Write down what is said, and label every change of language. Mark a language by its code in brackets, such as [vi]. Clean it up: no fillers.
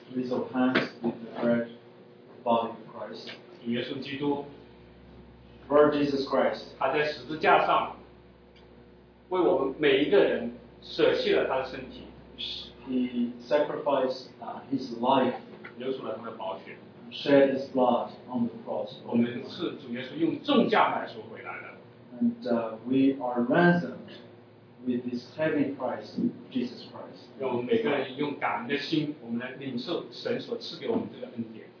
[en] of hands with the fresh body of Christ. [zh] 主耶稣基督 [en] Lord Jesus Christ. [zh] 他在十字架上为我们每一个人舍弃了他的身体。 [en] He sacrificed his life. [zh] 流出了他的宝血。 [en] Shed his blood on the cross. [zh] 我们是主耶稣用重价买赎回来的。 [en] And we are ransomed with this heavy price, Jesus Christ. [zh] 让我们每个人用感恩的心，我们来领受神所赐给我们这个恩典。